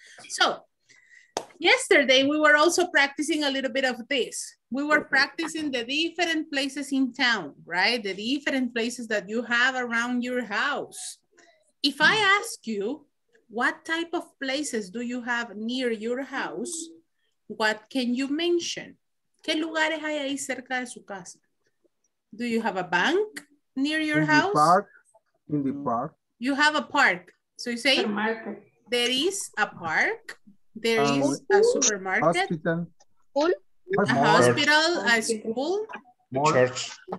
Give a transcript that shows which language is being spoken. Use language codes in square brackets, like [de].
[en] So yesterday we were also practicing a little bit of this. We were practicing the different places in town, right? The different places that you have around your house. If I ask you, what type of places do you have near your house? What can you mention? [es] ¿Qué lugares hay ahí cerca de su casa? [en] Do you have a bank near your house? In the park. You have a park. So you say there is a park. There is a supermarket. A hospital, a school. The church.